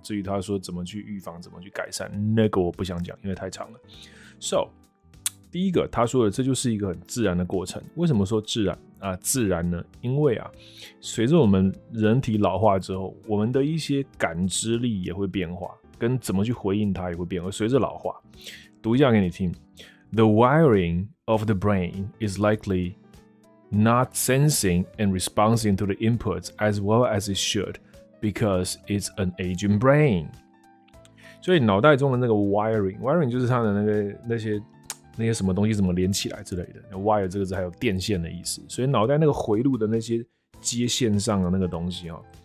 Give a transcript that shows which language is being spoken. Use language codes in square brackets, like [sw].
[zh] 至于他说怎么去预防、怎么去改善，那个我不想讲，因为太长了。 So， 第一个，他说的这就是一个很自然的过程。为什么说自然啊？自然呢？因为啊，随着我们人体老化之后，我们的一些感知力也会变化，跟怎么去回应它也会变化。随着老化，读一下给你听 [en] ：The wiring of the brain is likely not sensing and responding to the inputs as well as it should because it's an aging brain。 [zh] 所以脑袋中的那个 wiring 就是它的那些什么东西怎么连起来之类的。 wire 这个字还有电线的意思，所以脑袋那个回路的那些接线上的那个东西哦。